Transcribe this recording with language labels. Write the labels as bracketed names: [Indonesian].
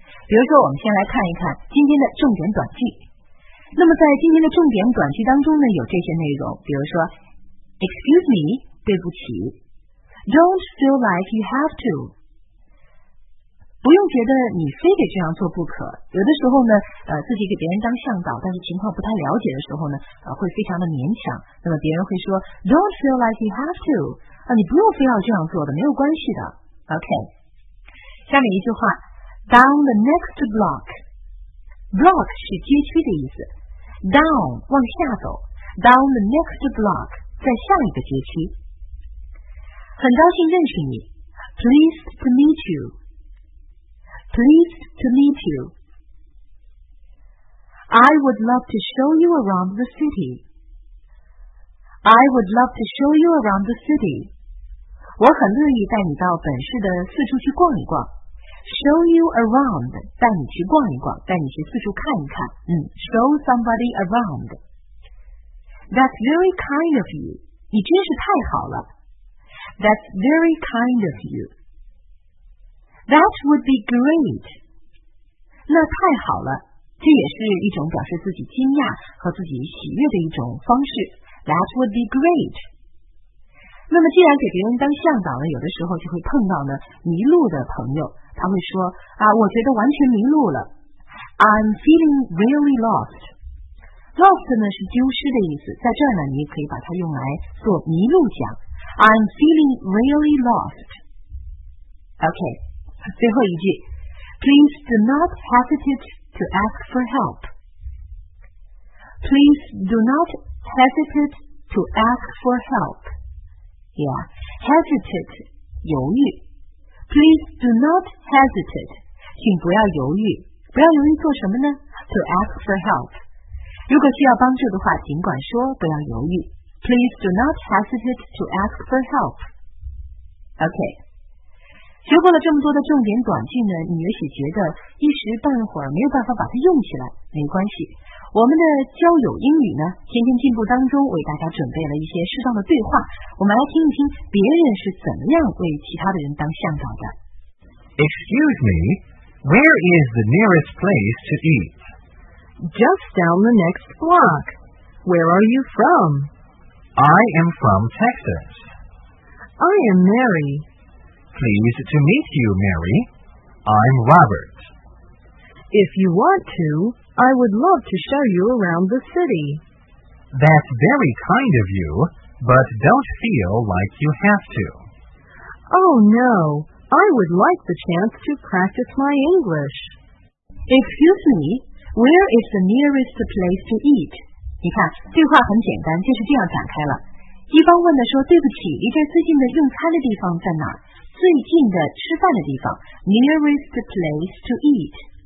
[Chinese] 比如说，我们先来看一看今天的重点短句。那么在今天的重点短句当中呢，有这些内容，比如说 ， Excuse me，对不起 ， Don't feel like you have to，不用觉得你非得这样做不可。有的时候呢，自己给别人当向导，但是情况不太了解的时候呢，会非常的勉强。那么别人会说 ， Don't feel like you have to，你不用非要这样做的，没有关系的。 [English] OK， 下面一句话 ，Down the next block。 [Chinese] Block 是街区的意思 ，down 往下走 ， down the next block 在下一个街区。 [English] 很高兴认识你，pleased to meet you，pleased to meet you。 I would love to show you around the city，I would love to show you around the city。 [Chinese] 我很乐意带你到本市的四处去逛一逛。 Show you around，带你去逛一逛，带你去四处看一看。 [English] Show somebody around。 That's very kind of you，你真是太好了。 That's very kind of you。 [Chinese] That would be great，那太好了，这也是一种表示自己惊讶和自己喜悦的一种方式。 [English] That would be great。 [Chinese] 那么既然给别人当向导呢，有的时候就会碰到呢迷路的朋友，他会说啊，我觉得完全迷路了。 [English] I'm feeling really lost。 [Chinese] Lost 呢是丢失的意思，在这儿呢你也可以把它用来做迷路讲。 [English] I'm feeling really lost。 OK， 最后一句 ，Please do not hesitate to ask for help。 Please do not hesitate to ask for help。 Yeah, hesitate, 犹豫。 Please do not hesitate, 请不要犹豫。 [Chinese] 不要犹豫做什么呢？ To ask for help. 如果需要帮助的话，尽管说，不要犹豫。 [English] Please do not hesitate to ask for help. OK. [Chinese] 学过了这么多的重点短句呢，你也许觉得一时半会儿没有办法把它用起来，没关系。我们的交友英语呢，天天进步当中为大家准备了一些适当的对话，我们来听一听别人是怎么样为其他的人当向导的。 [English] Excuse me, where is the nearest place to eat? Just down the next block. Where are you from? I am from Texas. I am Mary. Pleased to meet you, Mary. I'm Robert. If you want to... I would love to show you around the city. That's very kind of you, but don't feel like you have to. Oh no, I would like the chance to practice my English. Excuse me, where is the nearest place to eat? [Chinese] 你看，对话很简单，就是这样展开了。一方问的说，对不起，离这最近的用餐的地方在哪？最近的吃饭的地方 ， nearest place to eat.